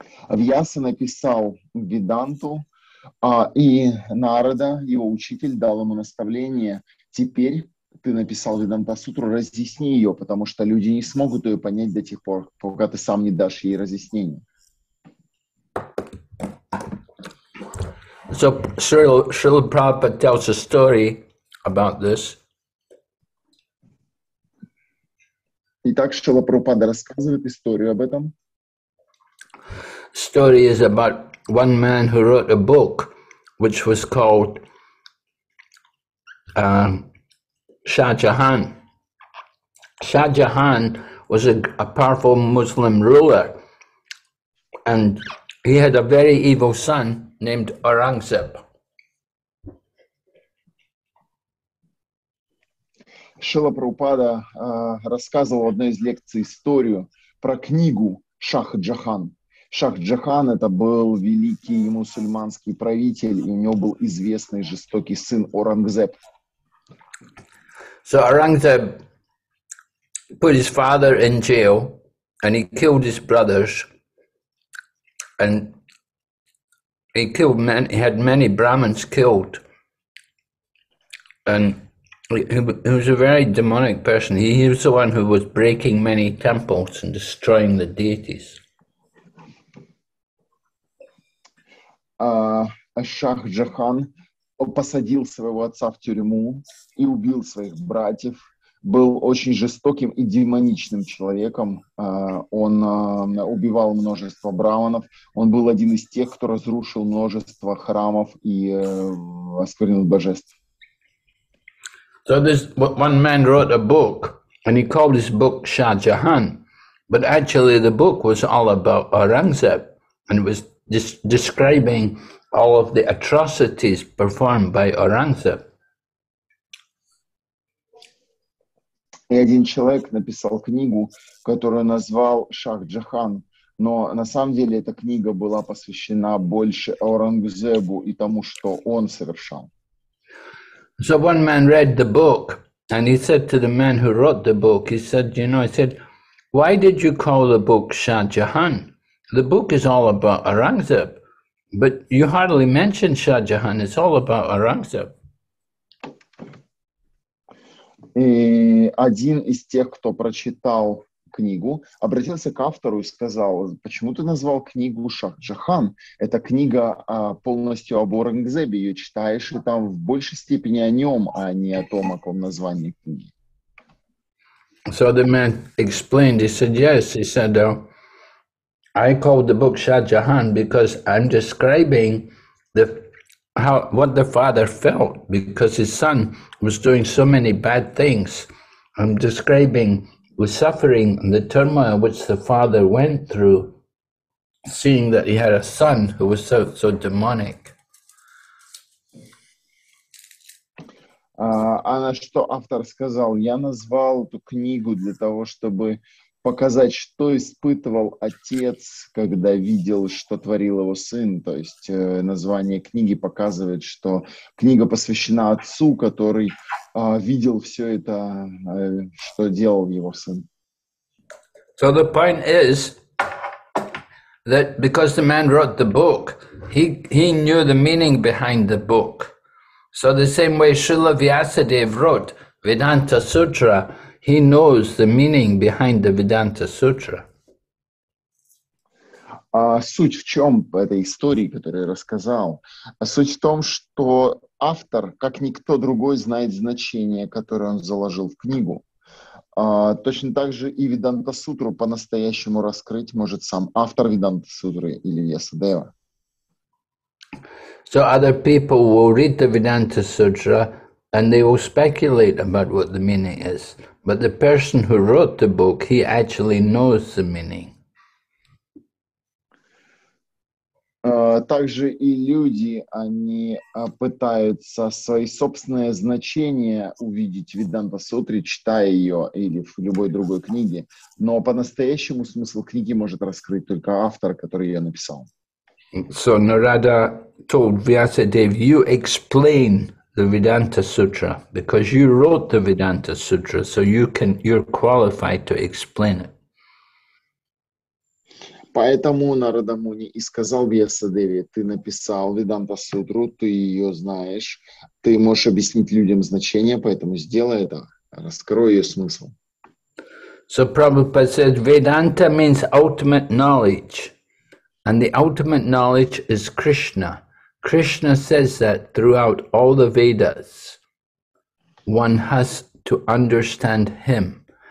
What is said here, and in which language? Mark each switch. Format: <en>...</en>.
<ru>Вьяса написал Веданту, и Нарада, его учитель, дал ему наставление, теперь ты написал Веданта-сутру, разъясни ее, потому что люди не смогут ее понять до тех пор, пока ты сам не дашь ей разъяснение.</ru> <en>So Srila Prabhupada tells a story about this.</en> <ru>Итак, Шрила Прабхупада рассказывает историю об этом.</ru> <en>Story is about one man who wrote a book, which was called Shahjahan. Shahjahan was a powerful Muslim ruler, and he had a very evil son named Aurangzeb.</en> <ru>Шрила Прабхупада рассказывал в одной из лекций историю про книгу Шахджахан. Шахджахан это был великий мусульманский правитель, и у него был известный жестокий сын Аурангзеб.</ru> <en>So Aurangzeb put his father in jail, and he killed his brothers, and he had many Brahmins killed, and he was a very demonic person. He was the one who was breaking many temples and destroying the deities.</en> <ru>Шахджахан посадил своего отца в тюрьму и убил своих братьев. Был очень жестоким и демоничным человеком. Он убивал множество браманов. Он был один из тех, кто разрушил множество храмов и осквернил божеств.</ru> <en>So this one man wrote a book, and he called his book Шахджахан, but actually the book was all about Aurangzeb, and it was describing all of the atrocities performed by Aurangzeb.</en> <ru>И один человек написал книгу, которую назвал Шахджахан, но на самом деле эта книга была посвящена больше Аурангзебу и тому, что он совершал.</ru> <en>So one man read the book, and he said to the man who wrote the book, he said, you know, he said, why did you call the book Шахджахан? The book is all about Aurangzeb, but you hardly mention Шахджахан, it's all about Aurangzeb.</en> <ru>И один из тех, кто прочитал книгу, обратился к автору и сказал, почему ты назвал книгу Шахджахан? Эта книга полностью об Аурангзебе, ее читаешь, и там в большей степени о нем, а не о том, о ком названии книги.</ru> <en>So the man explained, he said, yes, he said, I called the book Шахджахан because I'm describing what the father felt because his son was doing so many bad things. I'm describing the suffering and the turmoil which the father went through, seeing that he had a son who was so demonic.</en> <ru>Она что автор сказал? Я назвал эту книгу для того, чтобы показать, что испытывал отец, когда видел, что творил его сын. То есть название книги показывает, что книга посвящена отцу, который видел все это, что делал его сын.</ru> <en>So the point is that because the man wrote the book, he knew the meaning behind the book. So the same way Srila Vyasadeva wrote Vedanta Sutra, he knows the meaning behind the Vedanta Sutra.</en> <ru>Суть в чем в этой истории, которую я рассказал? Суть в том, что автор, как никто другой, знает значение, которое он заложил в книгу. Точно так же и Веданта Сутру по-настоящему раскрыть может сам автор Веданта Сутры или Ясадева.</ru> <en>So other people will read the Vedanta Sutra and they will speculate about what the meaning is. But the person who wrote the book, he actually knows the meaning.</en> <ru>Также и люди, они пытаются свои собственные значения увидеть в Веданта Сутре, читая ее или в любой другой книге. Но по-настоящему смысл книги может раскрыть только автор, который ее написал.</ru> <en>So Narada told Vyasadeva, you explain the Vedanta Sutra, because you wrote the Vedanta Sutra, so you're qualified to explain it.</en> <ru>Поэтому Нарада Муни и сказал Вьясадеве, ты написал Веданта Сутру, ты ее знаешь, ты можешь объяснить людям значение, поэтому сделай это, раскрой ее смысл.</ru> <en>So Prabhupada said, Vedanta means ultimate knowledge, and the ultimate knowledge is Krishna. Krishna says that throughout all the Vedas, one has to understand him.</en>